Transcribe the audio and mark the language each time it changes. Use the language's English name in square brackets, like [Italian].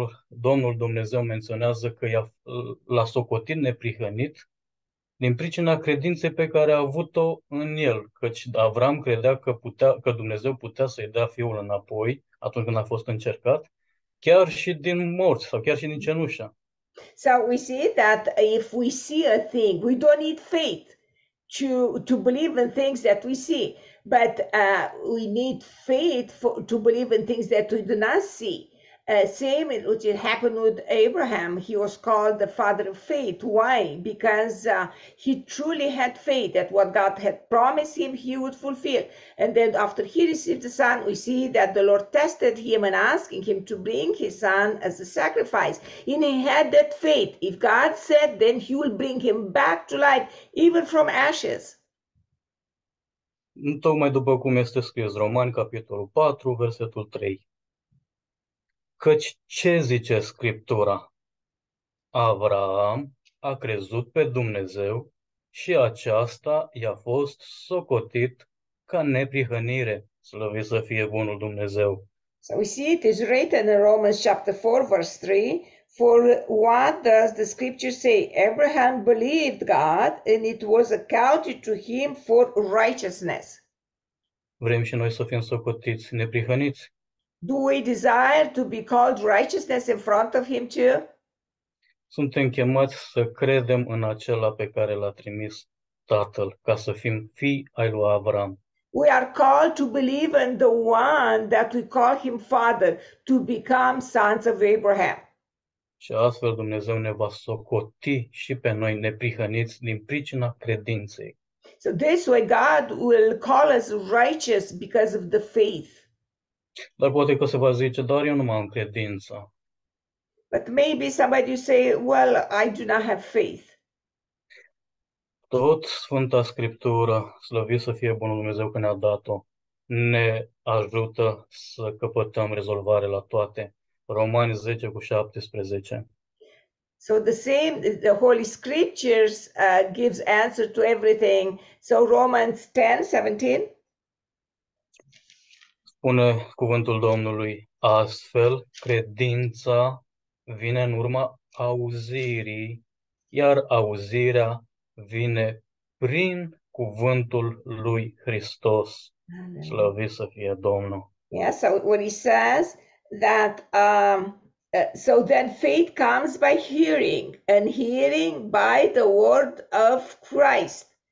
[Romanian] Domnul Dumnezeu menționează că l-a socotit neprihănit din pricina credinței pe care a avut-o în el, căci Avram credea că putea, că Dumnezeu putea să-i dea fiul înapoi atunci când a fost încercat, chiar și din morți sau chiar și din cenușă. [English] So we see that if we see a thing, we don't need faith to believe in things that we see, but we need faith to believe in things that we do not see. Same which it happened with Abraham. He was called the father of faith. Why? Because he truly had faith that what God had promised him, he would fulfill. And then after he received the son, we see that the Lord tested him and asking him to bring his son as a sacrifice. And he had that faith. If God said, then he will bring him back to life, even from ashes. [Romanian] Tocmai după cum este scris, Romani, capitolul 4, versetul 3. Căci ce zice Scriptura? Avraam a crezut pe Dumnezeu și aceasta i-a fost socotit ca neprihănire. Slăvit să fie bunul Dumnezeu! [English] So we see it is written in Romans chapter 4, verse 3, for what does the Scripture say? Abraham believed God and it was accounted to him for righteousness. [Romanian] Vrem și noi să fim socotiți neprihăniți? [English] Do we desire to be called righteousness in front of him too? [Romanian] Suntem chemați să credem în acela pe care l-a trimis Tatăl, ca să fim fii ai lui Avram. [English] We are called to believe in the one that we call him Father, to become sons of Abraham. [Romanian] Și astfel Dumnezeu ne va socoti și pe noi neprihăniți din pricina credinței. [English] So this way God will call us righteous because of the faith. [Romanian] Dar poate că se va zice, dar eu nu mai am credință. [English] But maybe somebody say, well, I do not have faith. [Romanian] Tot Sfânta Scriptură, slăvit să fie bunul Dumnezeu că ne-a dat-o, ne ajută să căpătăm rezolvare la toate. Romani 10 cu 17. [English] So the Holy Scriptures gives answer to everything. So Romans 10:17. [Romanian] Spune cuvântul Domnului, astfel credința vine în urma auzirii, iar auzirea vine prin cuvântul lui Hristos. Slăvit să fie Domnul. [English] Yeah, so what he says that so then faith comes by hearing, and hearing by the word of Christ.